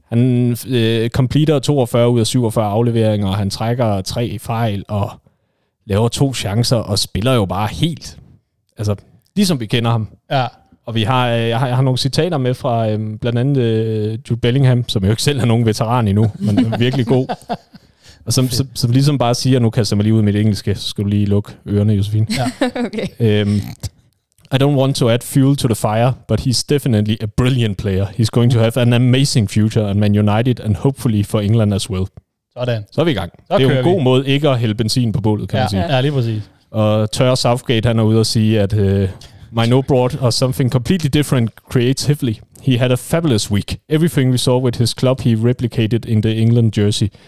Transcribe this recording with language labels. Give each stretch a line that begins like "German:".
Danish: Han completer 42 ud af 47 afleveringer, og han trækker 3 fejl, og laver 2 chancer, og spiller jo bare helt. Altså, ligesom vi kender ham. Ja. Og vi har, jeg har nogle citater med fra blandt andet Jude Bellingham, som jo ikke selv er nogen veteran endnu, men virkelig god. Og som ligesom bare siger, nu kaster jeg mig lige ud med det engelske, så skal du lige lukke ørerne, Josefine. Ja. Okay.
English: I don't want to add fuel to the fire, but he's definitely a brilliant player. He's going to have an amazing future at Man United and hopefully for England as well.
Danish: Sådan. Så er vi i gang. Så det er jo en god måde ikke at hælde benzin på bålet, kan man sige. Ja, lige præcis. Og tør Southgate, han er ude og sige, at...
English: My no broad or something completely different creatively. He had a fabulous week. Everything we saw with his club, he replicated in the England jersey.